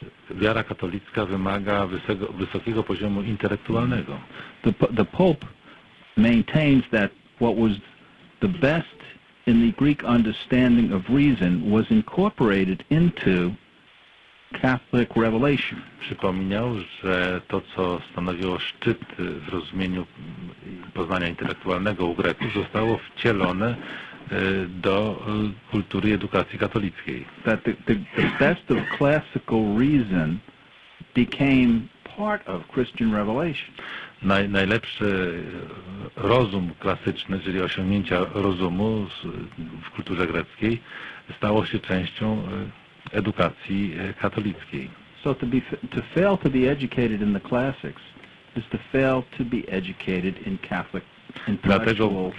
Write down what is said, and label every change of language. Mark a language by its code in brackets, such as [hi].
[pl] Wiara katolicka wymaga wysokiego poziomu intelektualnego. [en] The Pope maintains that what was the best in the Greek understanding of reason was incorporated into Catholic revelation. [pl] Przypomniał, że to, co stanowiło szczyt w rozumieniu poznania intelektualnego u Greków, zostało wcielone do kultury edukacji katolickiej. [en] That the best of classical reason became part of Christian revelation. [pl] Najlepszy rozum klasyczny, czyli osiągnięcia rozumu w kulturze greckiej, stało się częścią edukacji katolickiej. [en] So to fail to be educated in the classics is to fail to be educated in Catholic intellectual.